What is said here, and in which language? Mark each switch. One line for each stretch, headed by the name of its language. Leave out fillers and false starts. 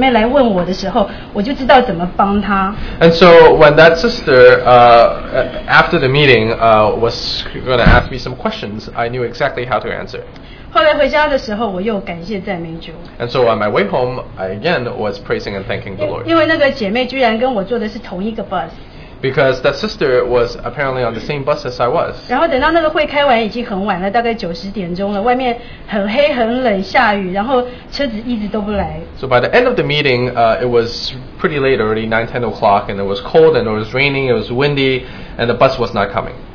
Chinese: 所以后来等到那个开会完了，那个姐妹来问我的时候，我就知道怎么帮她。
English: And so when that sister, after the meeting, was going to ask me some questions, I knew exactly how to answer.
Chinese: 后来回家的时候，我又感谢赞美主。
English: And so on my way home, I again was praising and thanking the Lord.
Chinese: 因为那个姐妹居然跟我坐的是同一个 bus.
English: Because that sister was apparently on the same bus as I was.
Chinese: 然后等到那个会开完已经很晚了，大概九十点钟了，外面很黑很冷，下雨，然后车子一直都不来。
English: So by the end of the meeting, it was pretty late already, 9:10 o'clock, and it was cold, and it was raining, it was windy, and the bus was not coming.